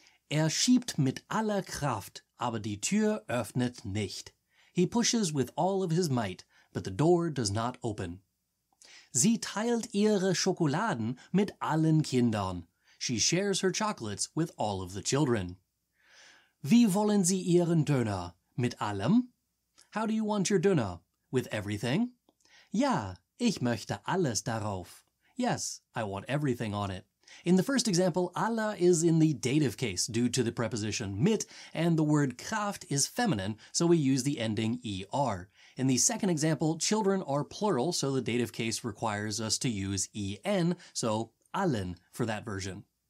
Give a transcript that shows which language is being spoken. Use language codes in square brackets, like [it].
[de] Er schiebt mit aller Kraft, aber die Tür öffnet nicht. [en] He pushes with all of his might, but the door does not open. [de] Sie teilt ihre Schokoladen mit allen Kindern. [en] She shares her chocolates with all of the children. [de] Wie wollen Sie Ihren Döner? Mit allem? [en] How do you want your Döner? With everything? [de] Ja, ich möchte alles darauf. [en] Yes, I want everything on it. In the first example, alle is in the dative case due to the preposition mit, and the word Kraft is feminine, so we use the ending er. In the second example, children are plural, so the dative case requires us to use en, so allen for that version.